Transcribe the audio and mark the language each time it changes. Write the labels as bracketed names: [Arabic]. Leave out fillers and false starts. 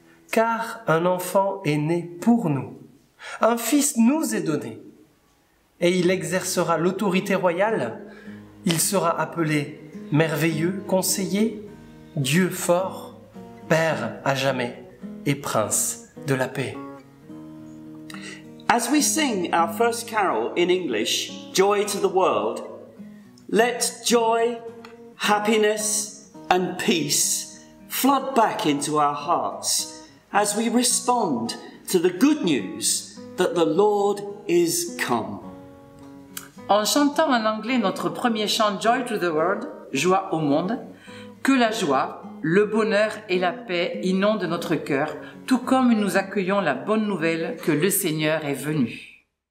[French] Car un enfant est né pour nous, un fils nous est donné, et il exercera l'autorité royale, il sera appelé merveilleux, conseiller, Dieu fort, Père à jamais et Prince de la paix. [English] As we sing our first carol in English, Joy to the World, let joy, happiness and peace flood back into our hearts as we respond to the good news that the Lord is come. [French] En chantant en anglais notre premier chant Joy to the World, Joie au monde, que la joie, le bonheur et la paix inondent notre cœur, tout comme nous accueillons la bonne nouvelle que le Seigneur est venu.